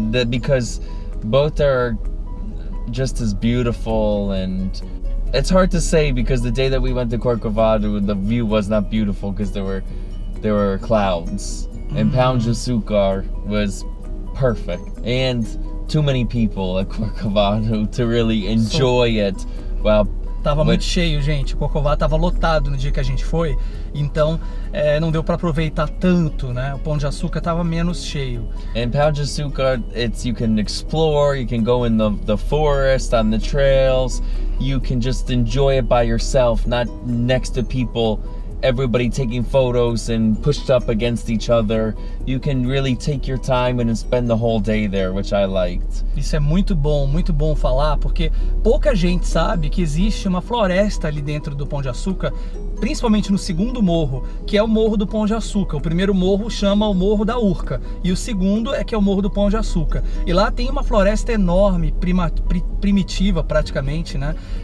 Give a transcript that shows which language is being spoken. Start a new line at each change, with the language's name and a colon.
English: Because both are just as beautiful and it's hard to say because the day that we went to Corcovado, the view was not beautiful because there were clouds. Mm-hmm. And Pão de Açúcar was perfect. And too many people at Corcovado to really enjoy it. Well,
Portuguese: tava muito cheio, gente. Corcovado tava lotado no dia que a gente foi. Então, não deu para aproveitar tanto, né? O Pão de Açúcar tava menos cheio.
English: And Pão de Açúcar, it's you can explore, you can go in the forest, on the trails. You can just enjoy it by yourself, not next to people, everybody taking photos and pushed up against each other. You can really take your time and spend the whole day there, which I liked.
Portuguese: Isso é muito bom falar, porque pouca gente sabe que existe uma floresta ali dentro do Pão de Açúcar, principalmente no segundo morro, que é o Morro do Pão de Açúcar. O primeiro morro chama o Morro da Urca, e o segundo é que é o Morro do Pão de Açúcar. E lá tem uma floresta enorme, primitiva praticamente, né?